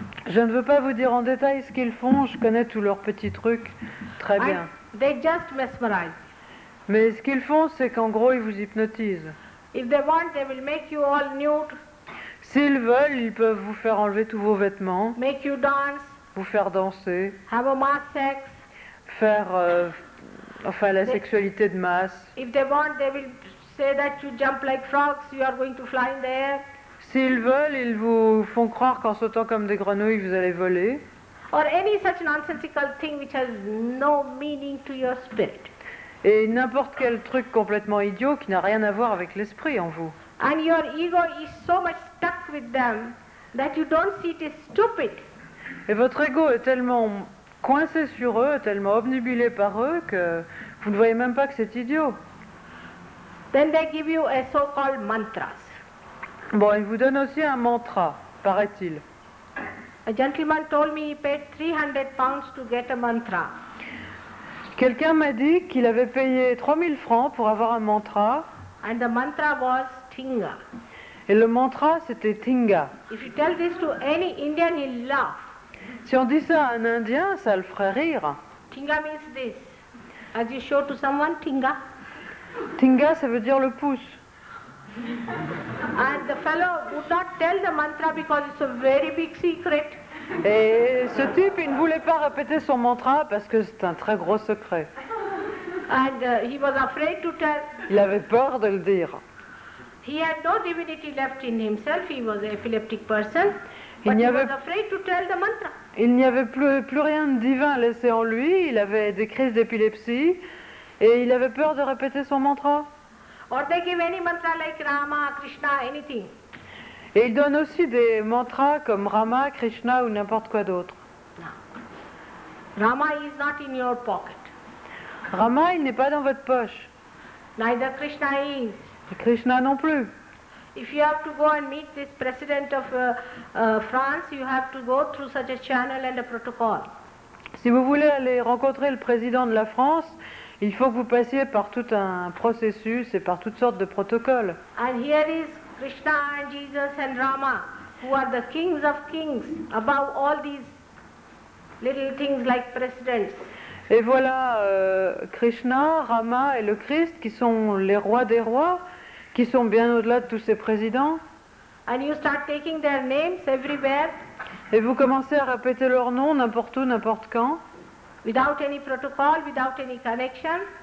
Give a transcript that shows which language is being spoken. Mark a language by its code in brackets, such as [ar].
[fr] Je ne veux pas vous dire en détail ce qu'ils font. Je connais tous leurs petits trucs très bien. [en] They just mesmerize. [fr] Mais ce qu'ils font, c'est qu'en gros, ils vous hypnotisent. [en] If they want, they will make you all nude. [fr] S'ils veulent, ils peuvent vous faire enlever tous vos vêtements. [en] Make you dance. [fr] Vous faire danser. [en] Have a mass sex. [fr] Faire, sexualité de masse. [en] If they want, they will say that you jump like frogs. You are going to fly in the air. [fr] S'ils veulent, ils vous font croire qu'en sautant comme des grenouilles, vous allez voler. [en] Or any such nonsensical thing which has no meaning to your spirit. [fr] Et n'importe quel truc complètement idiot qui n'a rien à voir avec l'esprit en vous. [en] And your ego is so much stuck with them that you don't see it is stupid. [fr] Et votre ego est tellement coincé sur eux, tellement obnubilé par eux que vous ne voyez même pas que c'est idiot. [en] Then they give you a so-called mantras. [fr] Bon, ils vous donnent aussi un mantra, paraît-il. [en] A gentleman told me he paid 300 pounds to get a mantra. [fr] Quelqu'un m'a dit qu'il avait payé 3000 francs pour avoir un mantra. [en] And the mantra was Tinga. [fr] Et le mantra, c'était Tinga. [en] If you tell this to any Indian, he'll laugh. [fr] Si on dit ça à un Indien, ça le ferait rire. [en] Tinga means this. As you show to someone, Tinga. [fr] Tinga, ça veut dire le pouce. [en] And the fellow would not tell the mantra because it's a very big secret. [fr] Et ce type, il ne voulait pas répéter son mantra parce que c'est un très gros secret. [en] And he was afraid to tell. [fr] Il avait peur de le dire. [en] He had no divinity left in himself. He was an epileptic person. [fr] Il [en] but [fr] n'y avait... [en] he was afraid to tell the mantra. [fr] Il n'y avait plus rien de divin laissé en lui. Il avait des crises d'épilepsie et il avait peur de répéter son mantra. [en] Or they give any mantra like Rama, Krishna, anything. [fr] Et ils donnent aussi des mantras comme Rama, Krishna ou n'importe quoi d'autre. [en] No. Rama is not in your pocket. [fr] Rama, il n'est pas dans votre poche. [en] Neither Krishna is. [fr] Et Krishna non plus. [en] If you have to go and meet this president of France, you have to go through such a channel and a protocol. [fr] Si vous voulez aller rencontrer le président de la France, il faut que vous passiez par tout un processus et par toutes sortes de protocoles. [en] And here is Krishna and Jesus and Rama, who are the kings of kings, above all these little things like presidents. [fr] Et voilà Krishna, Rama et le Christ qui sont les rois des rois, qui sont bien au-delà de tous ces présidents. [en] And you start taking their names everywhere. [fr] Et vous commencez à répéter leurs noms n'importe où, n'importe quand. [en] Without any protocol, without any connection.